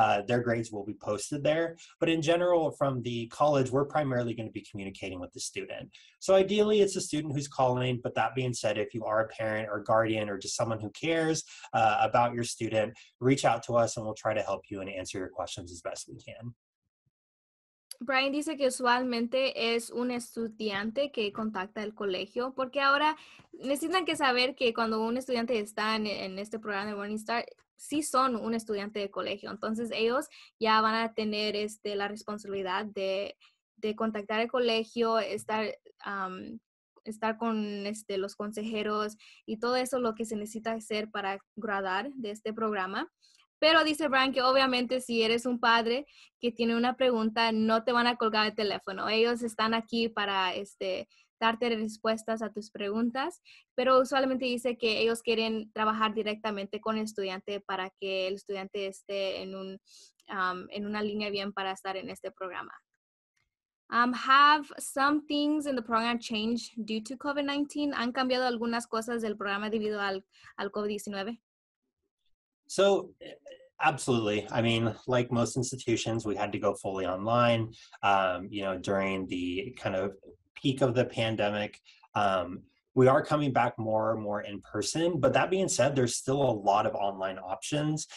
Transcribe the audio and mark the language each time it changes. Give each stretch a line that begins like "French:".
English: Their grades will be posted there. But in general, from the college, we're primarily going to be communicating with the student. So ideally, it's a student who's calling. But that being said, if you are a parent or guardian or just someone who cares about your student, reach out to us and we'll try to help you and answer your questions as best we can.
Spanish: Brian dice que usualmente es un estudiante que contacta el colegio, porque ahora necesitan que saber que cuando un estudiante está en este programa de Running Start, sí son un estudiante de colegio. Entonces ellos ya van a tener la responsabilidad de contactar el colegio, estar con los consejeros y todo eso lo que se necesita hacer para graduar de este programa. Pero dice Brian que obviamente si eres un padre que tiene una pregunta, no te van a colgar el teléfono. Ellos están aquí para darte respuestas a tus preguntas. Pero usualmente dice que ellos quieren trabajar directamente con el estudiante para que el estudiante esté en una línea bien para estar en este programa.
English: Have some things in the program changed due to COVID-19?
Spanish: ¿Han cambiado algunas cosas del programa debido al COVID-19?
English: So, absolutely. I mean, like most institutions, we had to go fully online, during the kind of peak of the pandemic. We are coming back more and more in person, but that being said, there's still a lot of online options.